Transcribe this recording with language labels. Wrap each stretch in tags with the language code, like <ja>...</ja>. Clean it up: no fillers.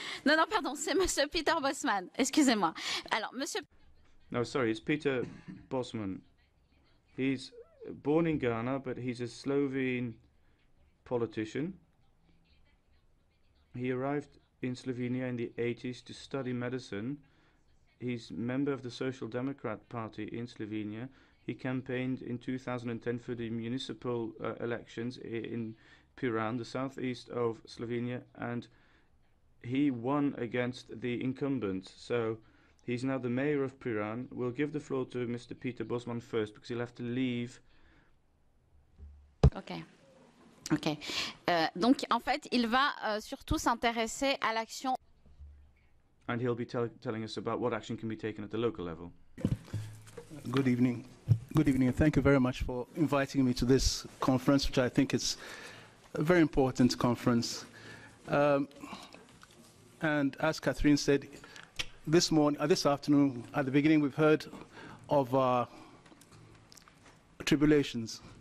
<fr>Non, non, pardon, c'est Monsieur Peter Bosman, excusez-moi. Alors, Monsieur...</fr> <en>No, sorry, it's Peter Bosman. He's born in Ghana, but he's a Slovene politician. He arrived in Slovenia in the 80s to study medicine. He's member of the Social Democrat Party in Slovenia. He campaigned in 2010 for the municipal elections in Piran, the southeast of Slovenia, and he won against the incumbent. So he's now the mayor of Piran. We'll give the floor to Mr. Peter Bosman first, because he'll have to leave. Okay. Okay.</en> <fr>Donc, en fait, il va surtout s'intéresser à l'action.</fr> <en>And he'll be telling us about what action can be taken at the local level. Good evening. Good evening, and thank you very much for inviting me to this conference, which I think is a very important conference. And as Catherine said, this morning, this afternoon, at the beginning, we've heard of our tribulations.</en>